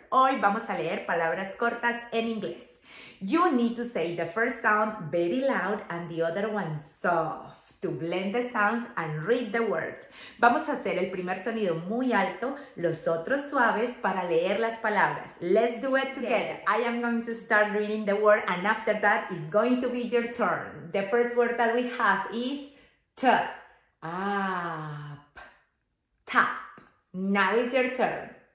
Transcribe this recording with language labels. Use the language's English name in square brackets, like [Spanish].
[Spanish] Hoy vamos a leer palabras cortas en inglés. [English] You need to say the first sound very loud and the other one soft to blend the sounds and read the word. [Spanish] Vamos a hacer el primer sonido muy alto, los otros suaves para leer las palabras. [English] Let's do it together. Yeah. I am going to start reading the word and after that it's going to be your turn. The first word that we have is up, top. Now it's your turn.